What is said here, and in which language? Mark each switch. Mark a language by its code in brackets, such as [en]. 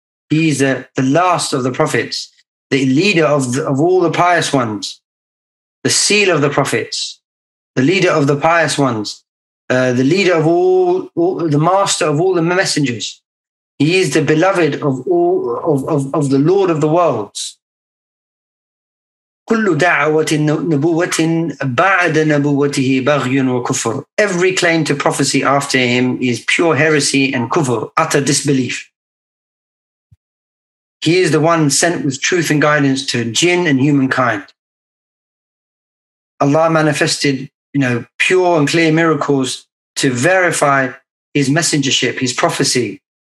[en] He is the last of the prophets, the leader of all the pious ones, the seal of the prophets, the leader of the pious ones, the leader of all, the master of all the messengers. He is the beloved of all of the Lord of the worlds. [ar] كل دعوة نبوة بعد نبوته بغي وكفر. [en] Every claim to prophecy after him is pure heresy and kufr, utter disbelief. He is the one sent with truth and guidance to jinn and humankind. Allah manifested, you know, pure and clear miracles to verify his messengership, his prophecy.